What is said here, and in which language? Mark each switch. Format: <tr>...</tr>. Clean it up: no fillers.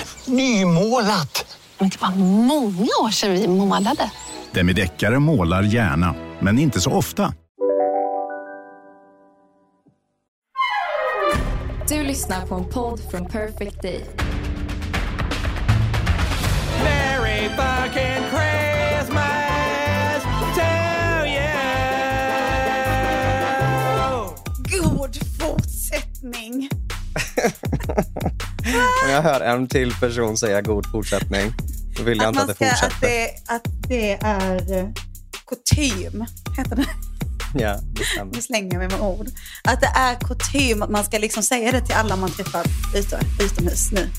<sv>Nymålat. Men det var många år sedan vi målade. Demideckare målar gärna, men inte så ofta. Du lyssnar på en podd från Perfect Day.</sv> <en>Merry fucking Christmas to you.</en> <sv>God fortsättning. Om jag hör en till person säga god fortsättning, då vill jag att inte att det fortsätter. Att det är kutym, heter det. Ja, nu slänger jag mig med ord. Att det är kutym att man ska liksom säga det till alla man träffar utomhus nu.</sv>